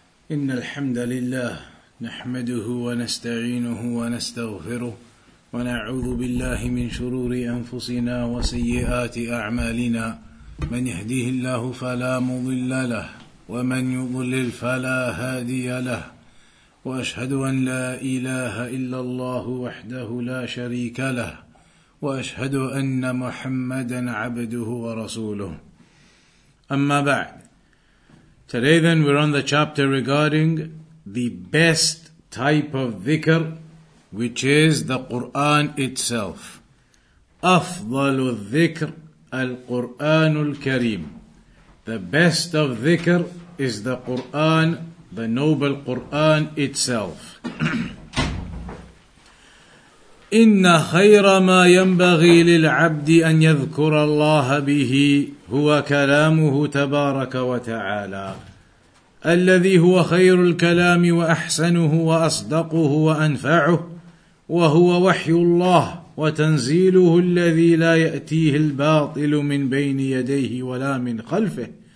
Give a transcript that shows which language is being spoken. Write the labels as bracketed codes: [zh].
[ar] إن الحمد لله نحمده ونستعينه ونستغفره ونعوذ بالله من شرور أنفسنا وسيئات أعمالنا من يهديه الله فلا مضل له ومن يضلل فلا هادي له وأشهد أن لا إله إلا الله وحده لا شريك له وأشهد أن محمدا عبده ورسوله أما بعد. [en] Today then we're on the chapter regarding the best type of dhikr, which is the Qur'an itself. [ar] أَفْضَلُ الذِّكْرِ الْقُرْآنُ الْكَرِيمُ. [en] The best of dhikr is the Qur'an, the noble Qur'an itself. [ar] إِنَّ خَيْرَ مَا يَنْبَغِي لِلْعَبْدِ أَنْ يَذْكُرَ اللَّهَ بِهِ هُوَ كَلَامُهُ تَبَارَكَ وَتَعَالَى الذي هو خير الكلام وأحسنه وأصدقه وأنفعه وهو وحي الله وتنزيله الذي لا يأتيه الباطل من بين يديه ولا من خلفه